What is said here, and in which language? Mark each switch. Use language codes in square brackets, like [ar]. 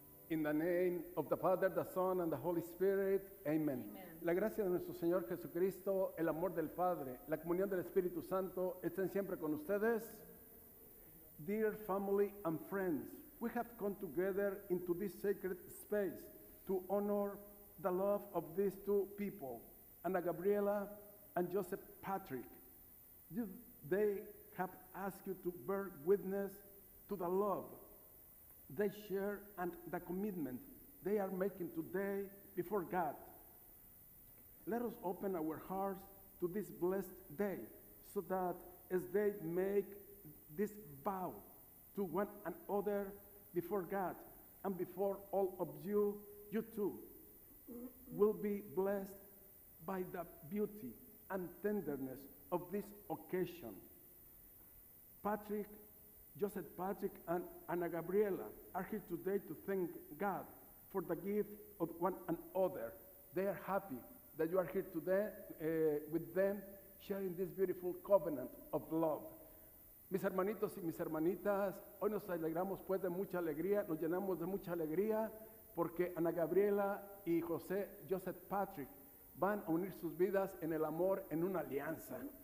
[en] In the name of the Father, the Son, and the Holy Spirit. Amen. Amen. [es] La gracia de nuestro Señor Jesucristo, el amor del Padre, la comunión del Espíritu Santo, estén siempre con ustedes. [en] Dear family and friends, we have come together into this sacred space to honor the love of these two people, Ana Gabriela and Joseph Patrick. They have asked you to bear witness to the love they share and the commitment they are making today before God. Let us open our hearts to this blessed day, so that as they make this vow to one another before God and before all of you, you too will be blessed by the beauty and tenderness of this occasion. Patrick, Joseph Patrick and Ana Gabriela are here today to thank God for the gift of one another. They are happy that you are here today with them, sharing this beautiful covenant of love. [es] Mis hermanitos y mis hermanitas, hoy nos alegramos pues de mucha alegría, nos llenamos de mucha alegría porque Ana Gabriela y José Joseph Patrick van a unir sus vidas en el amor, en una alianza.